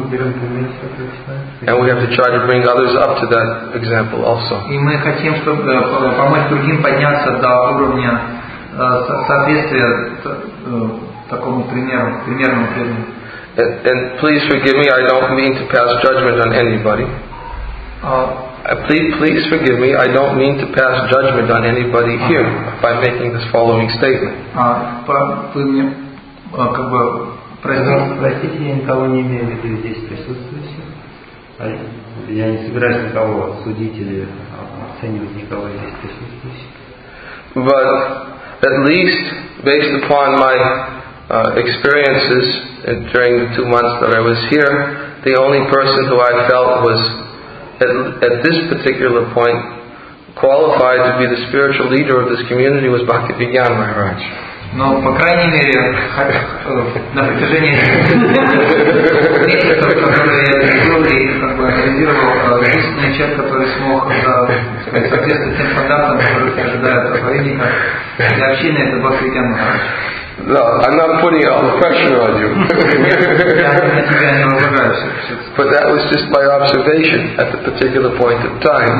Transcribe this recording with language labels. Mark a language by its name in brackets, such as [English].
[English] And we have to try to bring others up to that example also. [Russian] И мы хотим, чтобы помочь другим подняться до уровня соответствия такому примерному примеру. [English] And please forgive me, I don't mean to pass judgment on anybody. Please forgive me. I don't mean to pass judgment on anybody here by making this following statement. But at least, based upon my experiences during the 2 months that I was here, the only person who I felt was at this particular point qualified to be the spiritual leader of this community was Bhakti Vigyan Maharaj. [Russian] Но по крайней мере на протяжении месяцев, которые я видел и как бы анализировал, единственный человек, который смог соответствовать тем стандартам, которые ожидают проповедника для общины, это Бхакти Вигьян Махарадж. [English] No, I'm not putting all the pressure on you. But that was just my observation at the particular point of time.